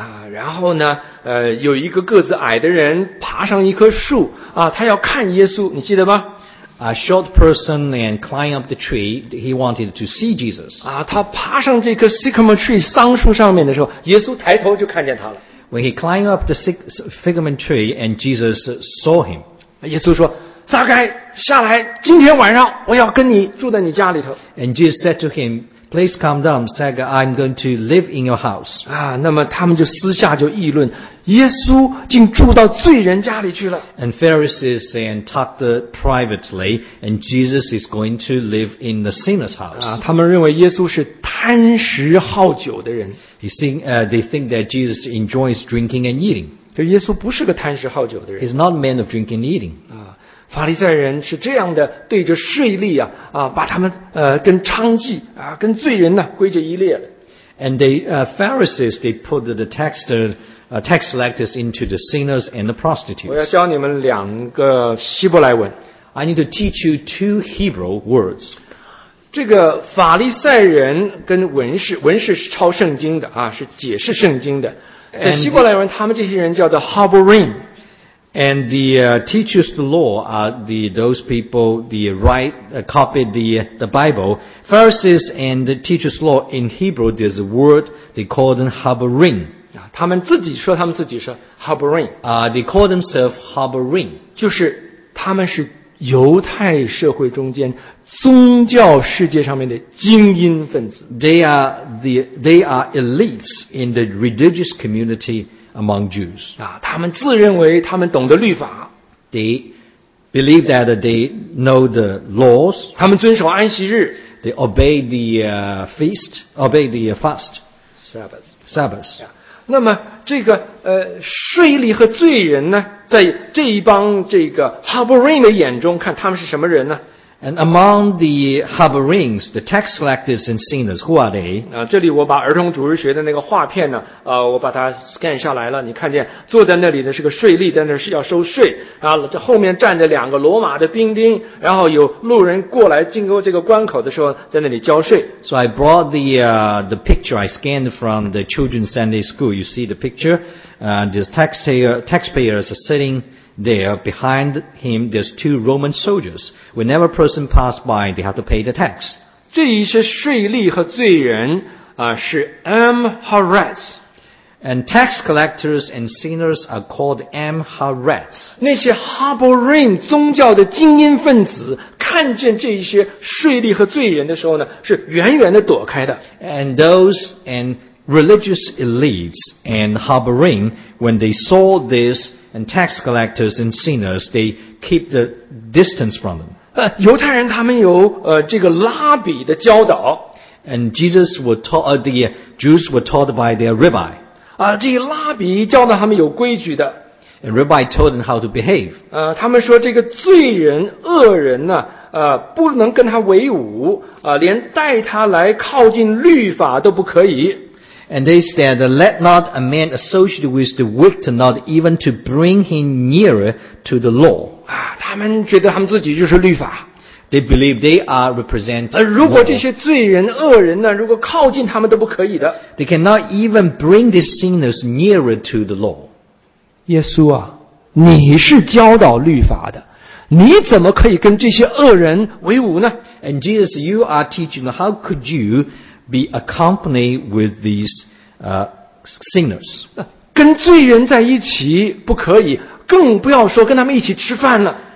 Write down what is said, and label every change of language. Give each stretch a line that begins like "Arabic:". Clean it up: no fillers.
Chinese: 然后呢，有一个个子矮的人爬上一棵树啊，他要看耶稣，你记得吗？
English: A short person and climbed up the tree. He wanted to see Jesus.
Chinese: 啊，他爬上这棵
English: sycamore tree
Chinese: 桑树上面的时候，耶稣抬头就看见他了。
English: When he climbed up the sycamore tree and Jesus saw him,
Chinese: 耶稣说。撒该下来，今天晚上我要跟你住在你家里头。
English: And Jesus said to him, "Please come down, Zacchaeus. I'm going to live in your house."
Chinese: 啊，那么他们就私下就议论，耶稣竟住到罪人家里去了。
English: And Pharisees and talked privately, and Jesus is going to live in the sinner's house.
Chinese: 啊，他们认为耶稣是贪食好酒的人。
English: They think that Jesus enjoys drinking and eating.
Chinese: 就耶稣不是个贪食好酒的人。
English: He's not a man of drinking and eating. 啊。
Chinese: 法利赛人是这样的，对着税吏啊啊，把他们跟娼妓啊，跟罪人呢、啊、归结一列的。
English: And the Pharisees they put the tax collectors into the sinners and the prostitutes.
Chinese: 我要教你们两个希伯来文。
English: I need to teach you two Hebrew words.
Chinese: 这个法利赛人跟文士是抄圣经的啊，是解释圣经的。在希伯来文，他们这些人叫做 Haborim。
English: And the teachers of the law are those people the copied the Bible. Pharisees and the teachers of law in Hebrew, there's a word they call them Haborim.
Chinese: 他们自己说他们自己是 Haborim.
English: They call themselves Haborim.
Chinese: 就是他们是犹太社会中间宗教世界上面的精英分子。
English: They are elites in the religious community. Among Jews.
Chinese: 啊，他们自认为他们懂得律法。
English: They believe that they know the laws.
Chinese: 他们遵守安息日。
English: They obey the feast, obey the fast. Sabbath. Sabbath.
Chinese: 那么这个税吏和罪人呢，在这一帮这个 Haborim 的眼中看他们是什么人呢？
English: And among the Haborims, the tax collectors and sinners, who are they?
Chinese: 这里我把儿童主日学的那个画片呢，我把它 scan 下来了。你看见坐在那里的是个税吏，在那是要收税啊。这后面站着两个罗马的兵丁，然后有路人过来经过这个关口的时候，在那里交税。
English: So I brought the picture I scanned from the children's Sunday school. You see the picture. These taxpayers are sitting. There, behind him, there's two Roman soldiers. Whenever a person passed by, they have to pay the tax.
Chinese: 这一些税吏和罪人啊，是 Amharets.
English: And tax collectors and sinners are called Amharets.
Chinese: 那些 Haborim 宗教的精英分子看见这一些税吏和罪人的时候呢，是远远的躲开的。
English: And those and religious elites and Haborim, when they saw this. And tax collectors and sinners, they keep the distance from them.
Chinese: 犹太人他们有这个拉比的教导。
English: And Jesus were taught, the Jews were taught by their rabbi.
Chinese: 这个拉比教导他们有规矩的。
English: And rabbi told them how to behave.
Chinese: 他们说这个罪人、恶人呢、不能跟他为伍，连带他来靠近律法都不可以。
English: And they said, let not a man associate with the wicked, not even to bring him nearer to the law.
Chinese: 他们觉得他们自己就是律法。
English: They believe they are representing.
Chinese: 如果这些罪人恶人呢，如果靠近他们都不可以的。
English: They cannot even bring these sinners nearer to the law.
Chinese: 耶稣啊，你是教导律法的，你怎么可以跟这些恶人为伍呢？
English: And Jesus, you are teaching, how could you be accompanied with these sinners?
Chinese: 跟罪人在一起不可以，更不要说跟他们一起吃饭了。